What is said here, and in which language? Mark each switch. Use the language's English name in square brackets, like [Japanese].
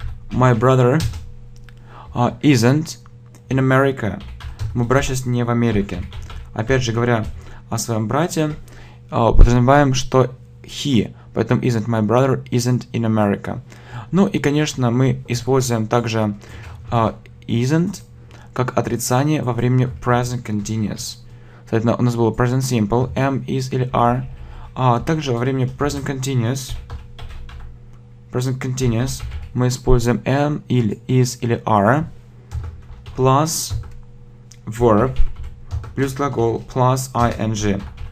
[English] My brother isn't in America. [Russian] Мой брат сейчас не в Америке. Опять же говоря о своем брате, подразумеваем, что he. Поэтому [English] isn't my brother isn't in America. [Russian] Ну и, конечно, мы используем также isn't как отрицание во времени present continuous. Соответственно, у нас было present simple, am, is или are. А также во времени present continuous мы используем am, или is или are plus verb плюс глагол plus ing.